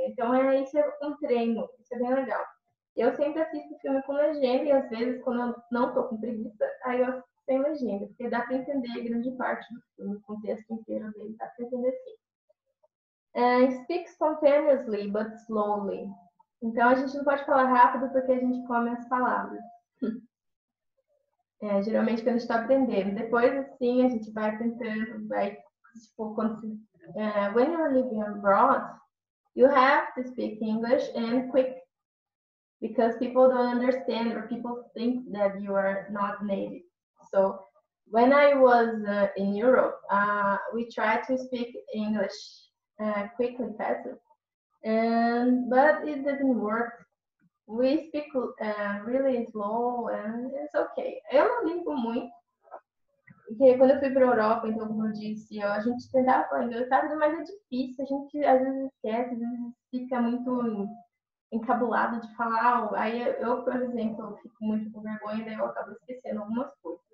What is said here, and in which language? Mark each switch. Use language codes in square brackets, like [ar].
[pt] Então, isso é um treino, isso é bem legal. Eu sempre assisto filme com legenda e, às vezes, quando eu não estou com preguiça, aí eu assisto sem legenda, porque dá para entender grande parte do filme, o contexto inteiro dele dá para entender sim. [en] Speak spontaneously, but slowly. [pt] Então, a gente não pode falar rápido porque a gente come as palavras. Geralmente quando a gente está aprendendo. Depois, assim, a gente vai tentando, vai, tipo, quando você, [en] when you're living abroad, you have to speak English and quick, because people don't understand or people think that you are not native. So, when I was in Europe, we tried to speak English quick and fast, but it didn't work. We speak really slow and it's okay. [pt] Eu não ligo muito, porque quando eu fui para a Europa, então, como eu disse, a gente tentava falar inglês, sabe? Mas é difícil, a gente às vezes esquece, às vezes fica muito encabulado de falar. Aí eu, por exemplo, fico muito com vergonha, daí eu acabo esquecendo algumas coisas.